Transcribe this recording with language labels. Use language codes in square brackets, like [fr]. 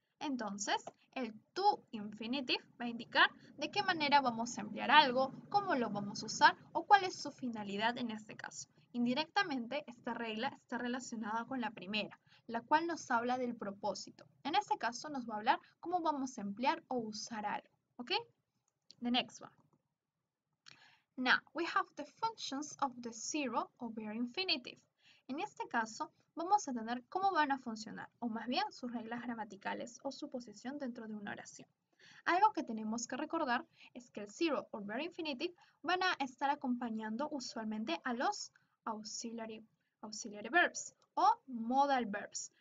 [es] Entonces, el to infinitive va a indicar de qué manera vamos a emplear algo, cómo lo vamos a usar o cuál es su finalidad en este caso. Indirectamente, esta regla está relacionada con la primera, la cual nos habla del propósito. En este caso, nos va a hablar cómo vamos a emplear o usar algo, ¿ok? [en] The next one. Now, we have the functions of the zero over infinitive. [es] En este caso, vamos a tener cómo van a funcionar, o más bien, sus reglas gramaticales o su posición dentro de una oración. Algo que tenemos que recordar es que el zero or very infinitive van a estar acompañando usualmente a los auxiliary verbs o modal verbs.